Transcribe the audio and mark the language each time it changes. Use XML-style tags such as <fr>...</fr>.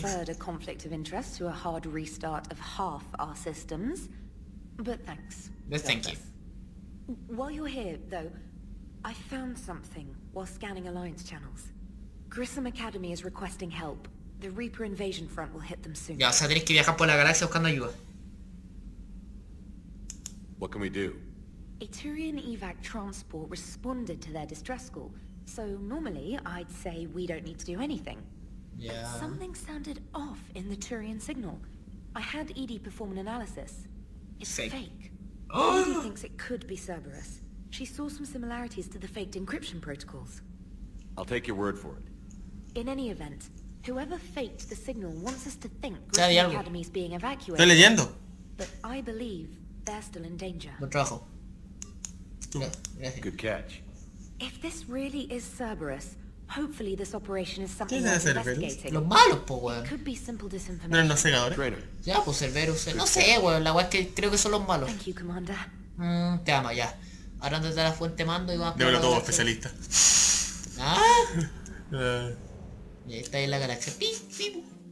<en>Preferred a conflict of interest to a hard restart of half our systems, but thanks. No, thank you. While you're here, though, I found something while scanning alliance channels. Grissom Academy is requesting help. The Reaper invasion front will hit them soon.</en> <es>Ya, o sea, tienes que viajar por la galaxia buscando ayuda.</es> <en>What can we do? A Turian evac transport responded to their distress call, so normally I'd say we don't need to do anything. Yeah. But something sounded off in the Turian signal. I had Edie perform an analysis. It's fake. Oh. Edie thinks it could be Cerberus. She saw some similarities to the faked encryption protocols. I'll take your word for it. In any event, whoever faked the signal wants us to think the Academy is being evacuated.</en> <es>Estoy leyendo.</es> <en>But I believe they're still in danger.</en> <es>Buen trabajo.</es> <en>Good catch. If this really is Cerberus, hopefully this operation is something worth investigating.</en> <es>Los malos, po, weón.</es> <en>Could be simple disinformation.</en> <es>Pero no sé, ahora. Ya, pues Cerberus, no sé, weón. La weón es que creo que son los malos.</es> <en>Thank you, Commander.</en> <es>Te amo, ya. Ahora andate a la fuente mando y vas a... Démelo todo, especialista. ¿Ah? Y ahí está ahí la galaxia. Pi, pi, pu.</es>